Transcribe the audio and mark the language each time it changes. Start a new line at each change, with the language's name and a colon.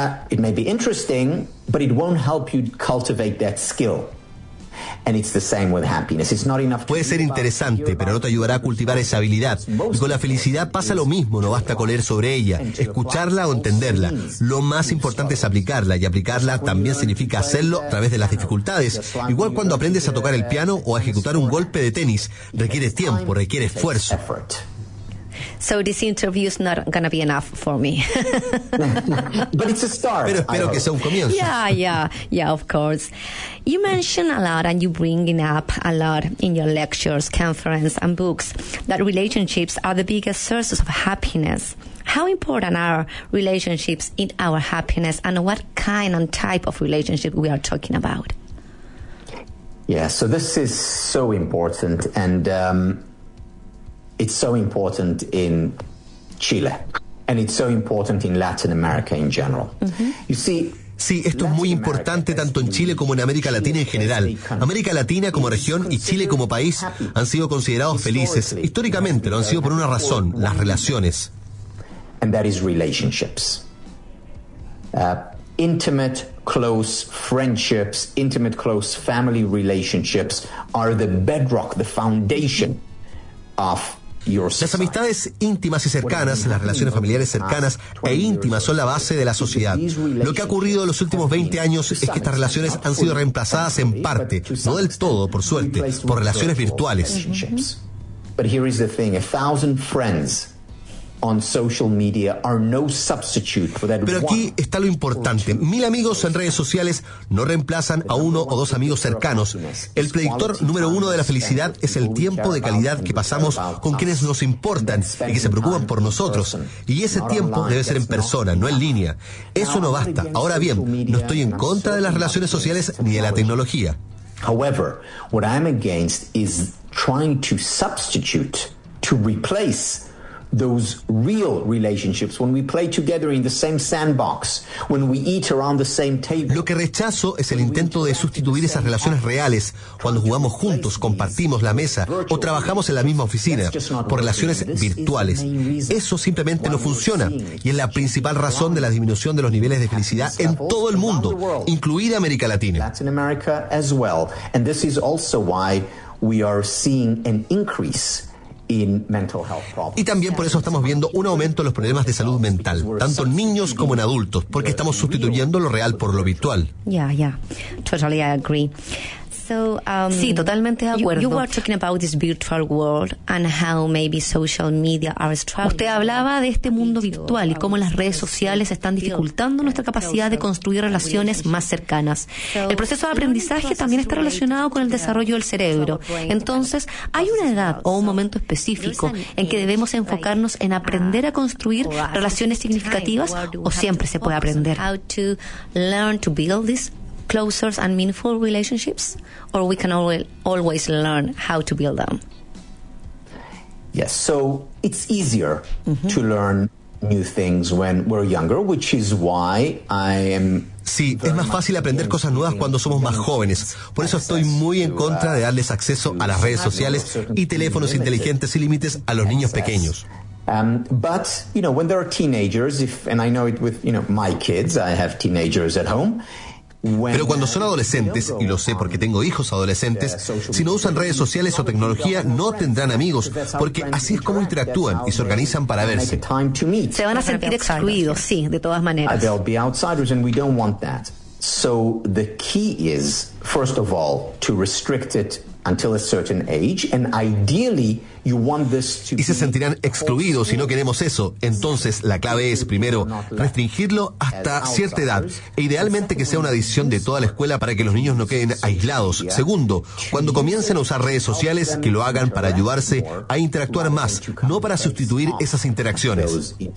English: It may be interesting, but it won't help you cultivate that skill. And it's the same with happiness. It's not enough.
Spanish: Puede ser interesante, pero no te ayudará a cultivar esa habilidad. Y con la felicidad pasa lo mismo. No basta con leer sobre ella, escucharla o entenderla. Lo más importante es aplicarla, y aplicarla también significa hacerlo a través de las dificultades. Igual cuando aprendes a tocar el piano o a ejecutar un golpe de tenis, requiere tiempo, requiere esfuerzo.
English: So this interview is not gonna be enough for me. But it's a start.
Spanish: Pero espero que sea un comienzo.
English: Yeah, of course. You mention a lot, and you bring it up a lot in your lectures, conferences, and books, that relationships are the biggest sources of happiness. How important are relationships in our happiness, and what kind and type of relationship we are talking about? Yeah, so this is so important, and it's so important in Chile, and it's so important in Latin America in general. Mm-hmm. You see.
Spanish: Sí, esto es muy importante tanto en Chile como en América Latina en general. América Latina como región y Chile como país han sido considerados felices. Históricamente lo han sido por una razón: las relaciones.
English: And that is relationships. Intimate, close friendships, intimate, close family relationships are the bedrock, the foundation of.
Spanish: Las amistades íntimas y cercanas, las relaciones familiares cercanas e íntimas son la base de la sociedad. Lo que ha ocurrido en los últimos 20 años es que estas relaciones han sido reemplazadas en parte, no del todo, por suerte, por relaciones virtuales. But here is the thing, 1,000 friends on social media are no substitute for that. Pero aquí está lo importante. 1,000 amigos en redes sociales no reemplazan a uno o dos amigos cercanos. El predictor número uno de la felicidad es el tiempo de calidad que pasamos con quienes nos importan y que se preocupan por nosotros. Y ese tiempo debe ser en persona, no en línea. Eso no basta. Ahora bien, no estoy en contra de las relaciones sociales ni de la tecnología.
English: However, what I'm against is trying to substitute, to replace those real relationships when we play together in the same sandbox, when we eat around the same table.
Spanish: Lo que rechazo es el intento de sustituir esas relaciones reales cuando jugamos juntos, compartimos la mesa o trabajamos en la misma oficina por relaciones virtuales. Eso simplemente no funciona y es la principal razón de la disminución de los niveles de felicidad en todo el mundo, incluida América Latina.
English: Latin America as well, and this is also why we are seeing an increase in mental health problems.
Spanish: Y también por eso estamos viendo un aumento en los problemas de salud mental, tanto en niños como en adultos, porque estamos sustituyendo lo real por lo virtual.
English: Totally, I agree. So,
Spanish: sí, totalmente de acuerdo.
English: You were talking about this virtual world and how maybe social media are struggling.
Spanish: Usted hablaba de este mundo virtual y cómo las redes sociales están dificultando nuestra capacidad de construir relaciones más cercanas. El proceso de aprendizaje también está relacionado con el desarrollo del cerebro. Entonces, ¿hay una edad o un momento específico en que debemos enfocarnos en aprender a construir relaciones significativas o siempre se puede aprender?
English: How to learn to build this closer and meaningful relationships, or we can always learn how to build them? Yes, so it's easier to learn new things when we're younger, which is why I am.
Spanish: Sí, es más fácil aprender cosas nuevas cuando somos más jóvenes. Por eso estoy muy en contra de darles acceso a las redes sociales y teléfonos inteligentes sin límites a los niños pequeños.
English: But you know, when there are teenagers, and I know it with, you know, my kids, I have teenagers at home.
Spanish: Pero cuando son adolescentes, y lo sé porque tengo hijos adolescentes, si no usan redes sociales o tecnología, no tendrán amigos, porque así es como interactúan y se organizan para verse. Se van a sentir excluidos, sí, de todas maneras.
English: They'll be outsiders, and we don't want that. So the key is first of all, to restrict it until a certain age, and ideally you want this to
Spanish: be. Y se sentirán excluidos si no queremos eso. Entonces, la clave es, primero, restringirlo hasta cierta edad, e idealmente que sea una decisión de toda la escuela para que los niños no queden aislados. Segundo, cuando comiencen a usar redes sociales, que lo hagan para ayudarse a interactuar más, no para sustituir esas interacciones.